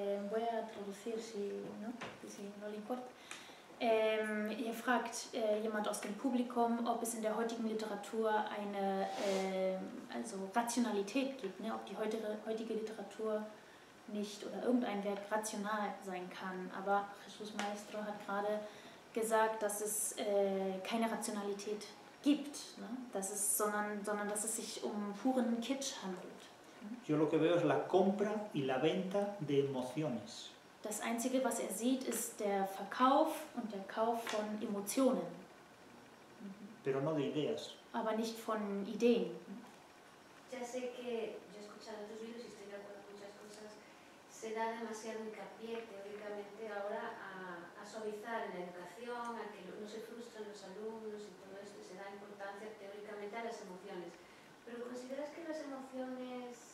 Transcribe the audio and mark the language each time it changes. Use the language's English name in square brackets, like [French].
[Spanish] Voy a traducir, si no le importa. [German] Hier fragt jemand aus dem Publikum, ob es in der heutigen Literatur eine also Rationalität gibt, ne? Ob die heutige Literatur nicht oder irgendein Werk rational sein kann. Aber Jesús Maestro hat gerade gesagt, dass es keine Rationalität gibt, ne? Dass es, sondern dass es sich um puren Kitsch handelt. [Spanish] Yo lo que veo es la compra y la venta de emociones. [German] Das Einzige, was er sieht, ist der Verkauf und der Kauf von Emotionen. [Spanish] Pero no de ideas. [German] Aber nicht von Ideen. [Spanish] Ya sé que yo he escuchado tus videos y estoy de acuerdo con muchas cosas. Se da demasiado hincapié teóricamente ahora a suavizar en la educación, a que no se frustren los alumnos y todo esto. Se da importancia teóricamente a las emociones. Pero ¿consideras que las emociones...